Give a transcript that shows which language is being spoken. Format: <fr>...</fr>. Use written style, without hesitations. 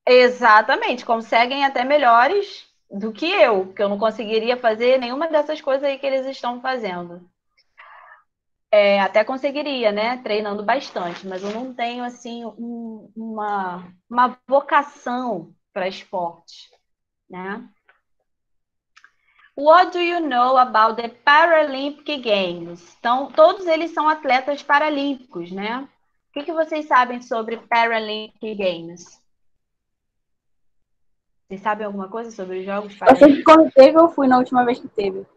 <pt>Exatamente, conseguem até melhores do que eu não conseguiria fazer nenhuma dessas coisas aí que eles estão fazendo. Até conseguiria, né? Treinando bastante, mas eu não tenho assim uma vocação para esporte, né?</pt> <en>What do you know about the Paralympic Games?</en> <pt>Então, todos eles são atletas paralímpicos, né? O que que vocês sabem sobre Paralympic Games? Vocês sabem alguma coisa sobre os Jogos Eu sei que Paralímpicos? quando teve, eu fui na última vez que teve.</pt>